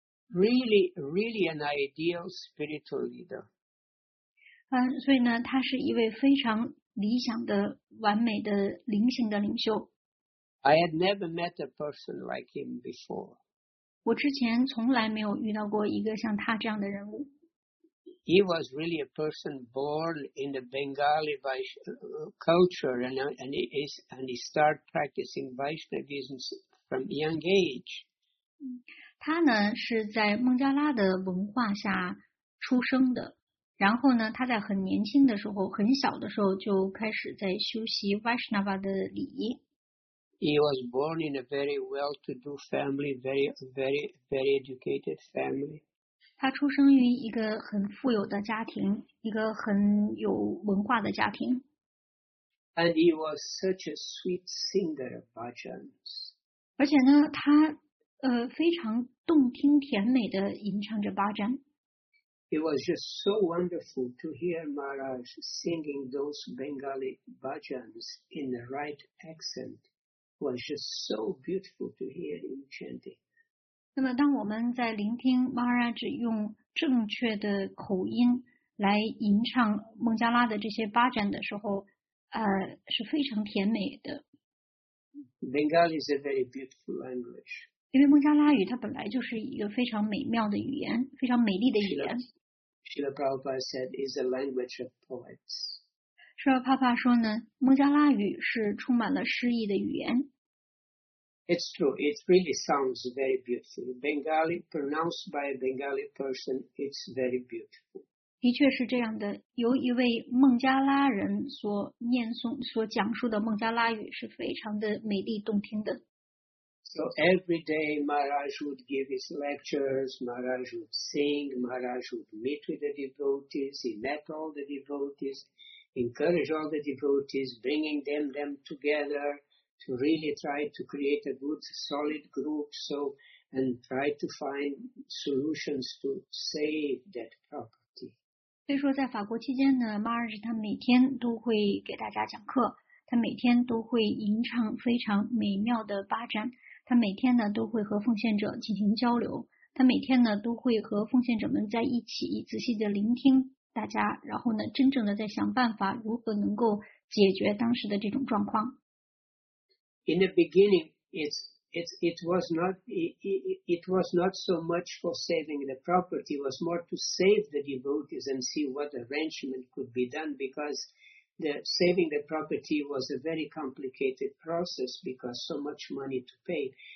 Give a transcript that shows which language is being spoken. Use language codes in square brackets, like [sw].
[en] Really, really an ideal spiritual leader. [zh] 所以呢，他是一位非常理想的、完美的灵性的领袖。 [en] I had never met a person like him before. [zh] 我之前从来没有遇到过一个像他这样的人物。 [en] He was really a person born in the Bengali culture and he started practicing Vaishnavism from a young age. [zh] 他呢是在孟加拉的文化下出生的，然后呢他在很年轻的时候，很小的时候就开始在修习 Vaishnava 的礼仪。 [en] He was born in a very well-to-do family, very, very, very educated family. [zh] 他出生于一个很富有的家庭，一个很有文化的家庭。 [en] And he was such a sweet singer of bhajans. [zh] 而且呢，他非常动听甜美的吟唱着巴赞。 [en] It was just so wonderful to hear Maharaj singing those Bengali bhajans in the right accent. It was just so beautiful to hear him chanting. [zh] 那么，当我们在聆听 Maharaj 用正确的口音来吟唱孟加拉的这些巴赞的时候，是非常甜美的。 [en] Bengali is a very beautiful language. [zh] 因为孟加拉语它本来就是一个非常美妙的语言，非常美丽的语言。 [en] Srila Prabhupada said is a language of poets. [zh] Srila Prabhupada 说呢，孟加拉语是充满了诗意的语言。 [en] It's true. It really sounds very beautiful. Bengali pronounced by a Bengali person, it's very beautiful. [zh] 的确是这样的。由一位孟加拉人所念诵、所讲述的孟加拉语是非常的美丽动听的。 [en] So every day Maharaj would give his lectures, Maharaj would sing, Maharaj would meet with the devotees, he met all the devotees, encouraged all the devotees, bringing them together to really try to create a good solid group so, and try to find solutions to save that property. [zh] 所以说在法国期间呢 ,Maharaj 他每天都会给大家讲课，他每天都会吟唱非常美妙的巴赞。他每天呢都会和奉献者进行交流，他每天呢都会和奉献者们在一起仔细的聆听大家，然后呢真正的在想办法如何能够解决当时的这种状况。 [en] In the beginning, it was not so much for saving the property, it was more to save the devotees and see what arrangement could be done because. The saving the property was a very complicated process because so much money to pay.